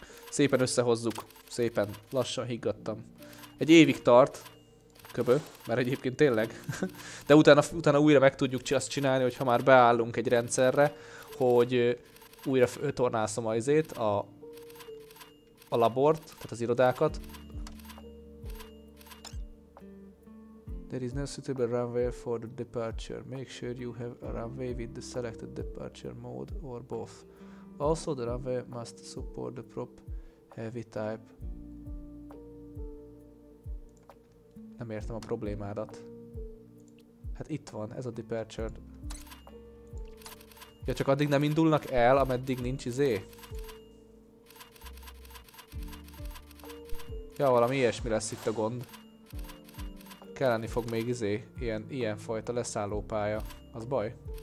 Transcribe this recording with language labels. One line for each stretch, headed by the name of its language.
Hungarian: Szépen összehozzuk. Szépen. Lassan higgadtam. Egy évig tart. Köbö. Mert egyébként tényleg. De utána újra meg tudjuk azt csinálni, hogyha már beállunk egy rendszerre, hogy újra tornászom azért a labort, tehát az irodákat.
English: There is no suitable runway for the departure. Make sure you have a runway with the selected departure mode or both. Also the runway must support the prop heavy type.
Hungarian: Nem értem a problémádat. Hát itt van, ez a departure. Ja, csak addig nem indulnak el, ameddig nincs izé. Ja, valami ilyesmi lesz itt a gond. Kelleni fog még izé, ilyen fajta leszállópálya. Az baj.